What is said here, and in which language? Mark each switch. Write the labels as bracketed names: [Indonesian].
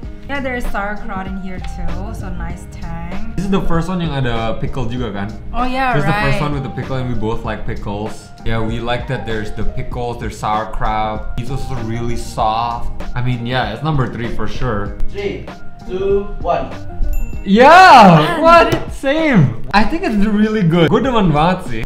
[English] Yeah, there is sauerkraut in here too, so nice tang. This is the first one [Indonesian] yang ada pickle juga kan? [English] Oh yeah, this right. This is the first one with the pickle and we both like pickles. Yeah, we like that there's the pickles, there's sauerkraut. It's also really soft. I mean, yeah, it's number three for sure. 3, 2, 1. Yeah, what? Same. I think it's really good. [Indonesian] Gue demen banget sih.